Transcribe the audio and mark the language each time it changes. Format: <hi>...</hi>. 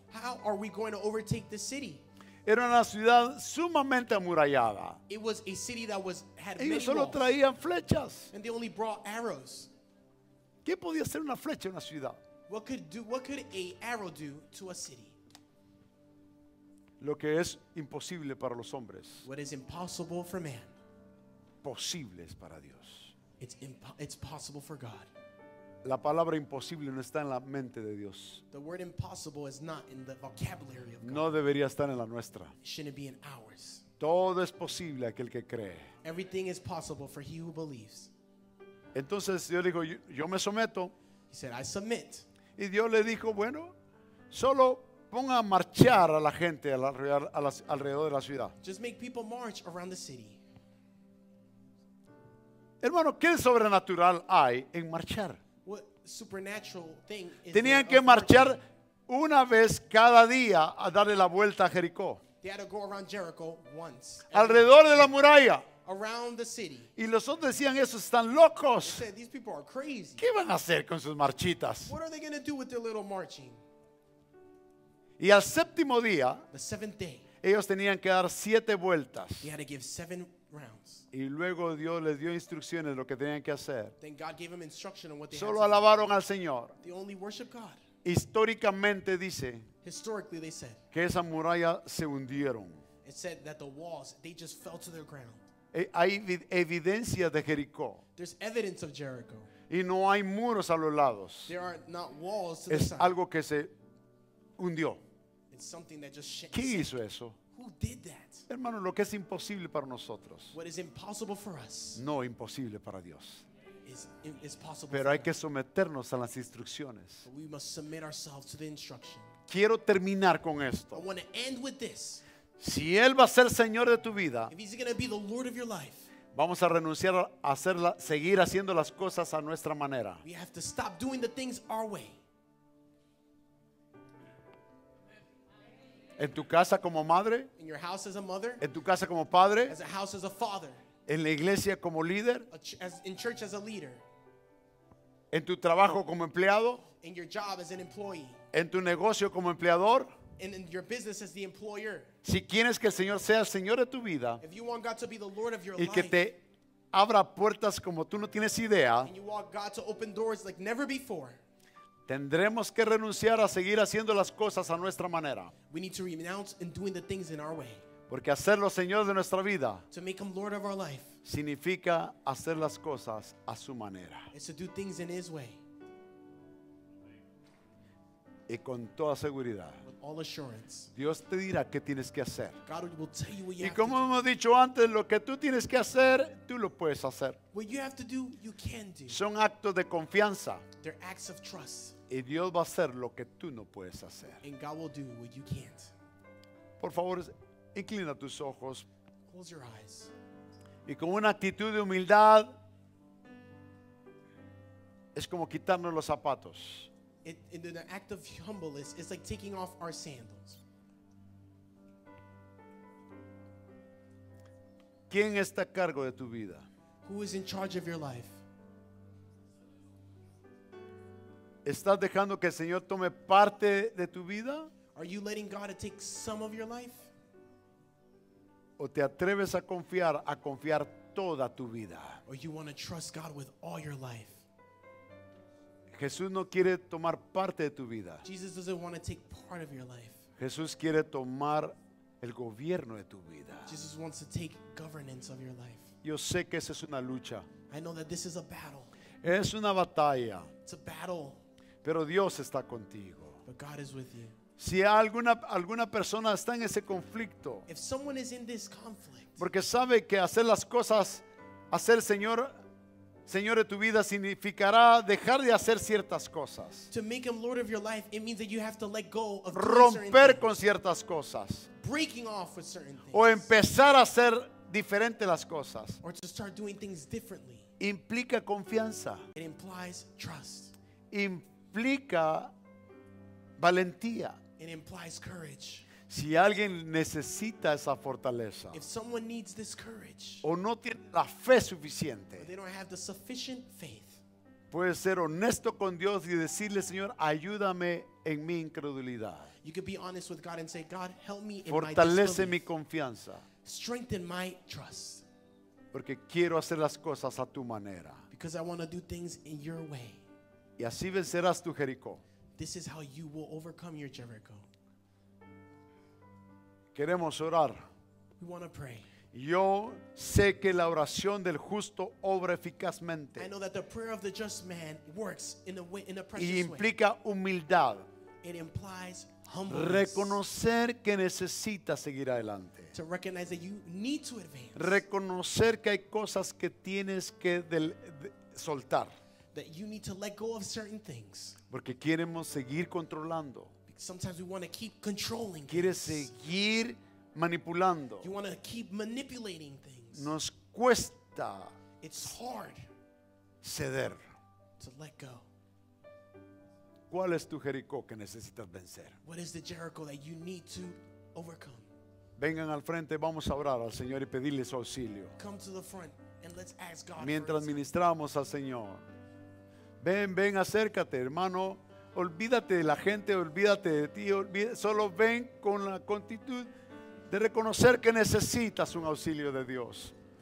<en>How are we going to overtake the city?</en> <es>Era una ciudad sumamente amurallada.</es> <en>It was a city that was had</en> <es>ellos</es> <en>many</en> <es>solo</es> <en>walls.</en> <es>Traían flechas.</es> <en>And they only brought arrows.</en> <es>¿Qué podía hacer una flecha en una ciudad?</es> <en>What could a arrow do to a city?</en> <es>Lo que es imposible para los hombres.</es> <en>What is impossible for man.</en> <es>Posible es para Dios.</es> <en>It's possible for God.</en> <es>La palabra imposible no está en la mente de Dios.</es> <en>The word impossible is not in the vocabulary of God.</en> <es>No debería estar en la nuestra.</es> <en>It shouldn't be in ours.</en> <es>Todo es posible aquel que cree.</es> <en>Everything is possible for he who believes.</en> <es>Entonces Dios dijo, yo me someto.</es> <en>He said, I submit.</en> <es>Y Dios le dijo, bueno, solo ponga a marchar a la gente alrededor de la ciudad.</es> <en>Just make people march around the city.</en> <es>Hermano, ¿qué sobrenatural hay en marchar?</es> <en>What supernatural thing is</en> <es>Tenían que marchar una vez cada día a darle la vuelta a Jericó.</es> <en>They had to go around Jericho once.</en> <es>Alrededor de la muralla.</es> <en>Around the city.</en> <es>Y los otros decían, esos están locos.</es> <en>They said, these people are crazy.</en> <es>¿Qué van a hacer con sus marchitas?</es> <en>What are they going to do with their little marching?</en> <es>Y al séptimo día,</es> <en>the seventh day,</en> <es>ellos tenían que dar siete vueltas.</es> <en>They had to give seven rounds.</en> <es>Y luego Dios les dio instrucciones de lo que tenían que hacer.</es> <en>Then God gave them instruction on what they</en> <es>Solo alabaron al Señor.</es> <en>They only worship God.</en> <es>Históricamente dice</es> <en>Historically, they said,</en> <es>que esa muralla se hundieron.</es> <en>It said that the walls, they just fell to their ground.</en> <es>Hay evidencia de Jericó.</es> <en>There's evidence of Jericho.</en> <es>Y no hay muros a los lados.</es> <en>There are not walls to</en> <es>es</es> <en>the side.</en> <es>Algo que se hundió.</es> <en>It's something that just</en> <es>¿Qué</es> <en>sank.</en> <es>Hizo eso?</es> <en>Who did that?</en> <es>Hermano, lo que es imposible para nosotros.</es> <en>What is impossible for us.</en> <es>No imposible para Dios.</es> <en>Is possible</en> <es>Pero</es> <en>for</en> <es>hay God. Que someternos a las instrucciones.</es> <en>But we must submit ourselves to the instruction.</en> <es>Quiero terminar con esto.</es> <en>I want to end with this.</en> <es>Si Él va a ser Señor de tu vida,</es> <en>If he's going to be the Lord of your life,</en> <es>vamos a renunciar a hacerla, seguir haciendo las cosas a nuestra manera.</es> <en>We have to stop doing the things our way.</en> <es>En tu casa como madre,</es> <en>In your house as a mother,</en> <es>en tu casa como padre,</es> <en>as a house as a father,</en> <es>en la iglesia como líder,</es> <en>in church as a leader,</en> <es>en tu trabajo como empleado,</es> <en>in your job as an employee,</en> <es>en tu negocio como empleador,</es> <en>in your business as the employer.</en> <es>Si quieres que el Señor sea el Señor de tu vida,</es> <en>if you want God to be the Lord of your</en> <es>y que</es> <en>life,</en> <es>te abra puertas como tú no tienes idea,</es> <en>and you want God to open doors like never before,</en> <es>tendremos que renunciar a seguir haciendo las cosas a nuestra manera.</es> <en>We need to renounce and doing the things in our way.</en> <es>Porque hacerlo Señor de nuestra vida,</es> <en>to make him Lord of our life,</en> <es>significa hacer las cosas a su manera.</es> <en>It's to do things in his way.</en> <es>Y con toda seguridad,</es> <en>with all assurance,</en> <es>Dios te dirá qué tienes que hacer.</es> <en>God will tell you what you</en> <es>y como</es> <en>have to</en> <es>hemos</es> <en>do.</en> <es>Dicho antes, lo que tú tienes que hacer, tú lo puedes hacer.</es> <en>What you have to do, you can do.</en> <es>Son actos de confianza.</es> <en>They're acts of trust.</en> <es>Y Dios va a hacer lo que tú no puedes hacer.</es> <en>And God will do what you can't.</en> <es>Por favor, inclina tus ojos.</es> <en>Close your eyes.</en> <es>Y con una actitud de humildad, es como quitarnos los zapatos.</es> <en>In the act of humbleness, it's like taking off our sandals.</en> <es>¿Quién está a cargo de tu vida?</es> <en>Who is in charge of your life?</en> <es>¿Estás dejando que el Señor tome parte de tu vida?</es> <en>Are you letting God take some of your life?</en> <es>¿O te atreves a confiar toda tu vida?</es> <en>Or you want to trust God with all your life?</en> <es>Jesús no quiere tomar parte de tu vida.</es> <en>Jesus doesn't want to take part of your life.</en> <es>Jesús quiere tomar el gobierno de tu vida.</es> <en>Jesus wants to take governance of your life.</en> <es>Yo sé que esa es una lucha.</es> <en>I know that this is a battle.</en> <es>Es una batalla.</es> <en>It's a battle.</en> <es>Pero Dios está contigo.</es> <en>But God is with you.</en> <es>Si alguna persona está en ese conflicto,</es> <en>if someone is in this conflict,</en> <es>porque sabe que hacer las cosas, hacer Señor Señor de tu vida significará dejar de hacer ciertas cosas.</es> <en>To make him Lord of your life, it means that you have to let go of</en> <es>romper con ciertas cosas.</es> <en>Breaking off with certain things.</en> <es>O empezar a hacer diferente las cosas.</es> <en>Or to start doing things differently.</en> <es>Implica confianza.</es> <en>It implies trust.</en> <es>Implica valentía.</es> <en>It implies courage.</en> <es>Si alguien necesita esa fortaleza,</es> <en>if someone needs this courage,</en> <es>o no tiene la fe suficiente,</es> <en>they don't have the sufficient faith,</en> <es>puede ser honesto con Dios y decirle, Señor, ayúdame en mi incredulidad.</es> <en>You could be honest with God and say, God, help me in my disbelief.</en> <es>Fortalece mi confianza.</es> <en>Strengthen my trust.</en> <es>Porque quiero hacer las cosas a tu manera.</es> <en>Because I want to do things in your way.</en> <es>Y así vencerás tu Jericó.</es> <en>This is how you will overcome your Jericho.</en> <es>Queremos orar.</es> <en>We want to pray.</en> <es>Yo sé que la oración del justo obra eficazmente.</es> <en>I know that the prayer of the just man works in a way, in a precious way.</en> <es>Y implica humildad.</es> <en>It implies humbleness.</en> <es>Reconocer que necesita seguir adelante.</es> <en>To recognize that you need to advance.</en> <es>Reconocer que hay cosas que tienes que soltar.</es> <en>That you need to let go of certain things.</en> <es>Porque queremos seguir controlando.</es> <en>Sometimes we want to keep controlling.</en> <es>Quieres seguir manipulando.</es> <en>You want to keep manipulating things.</en> <es>Nos cuesta.</es> <en>It's hard.</en> <es>Ceder.</es> <en>To let go.</en> <es>¿Cuál es tu Jericó que necesitas vencer?</es> <en>What is the Jericho that you need to overcome?</en> <es>Vengan al frente, vamos a orar al Señor y pedirle su auxilio.</es> <en>Come to the front and let's ask God.</en> <es>Mientras ministramos al Señor. Ven, acércate, hermano. Olvídate de la gente, olvídate de ti, solo ven con la actitud de reconocer que necesitas un auxilio de Dios.</es>